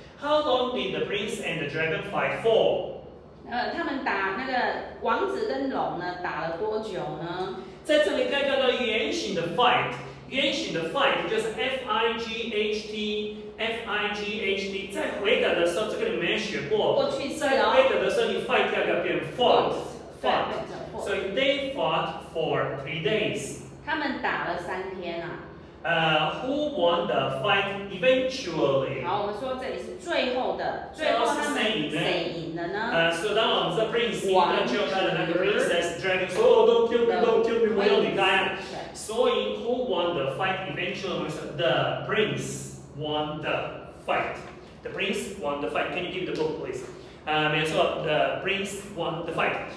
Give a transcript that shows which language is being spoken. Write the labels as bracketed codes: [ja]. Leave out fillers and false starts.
[en] How long did the prince and the dragon fight for？ [zh] 他们打那个王子跟龙呢，打了多久呢？在这里可以看到原型的 fight， Genshin 的 fight 就是 fight， 在回答的时候，这个你没学过。过去式哦。在回答的时候，你 fight 要不要变 fought？ 所以 [en] they fought for 3 days。 [zh] 他们打了三天啊。 [en] Who won the fight eventually？ [zh] 好，我们说这里是最后的，最后他们谁赢了呢？ [en] So that one is the prince. He got killed by the princess dragon. So don't kill me, don't kill me, [zh] 我要离开。所以 [en] who won the fight eventually？ The prince won the fight. The prince won the fight. Can you give me the book, please？ [zh] 没错 [en] ，the prince won the fight.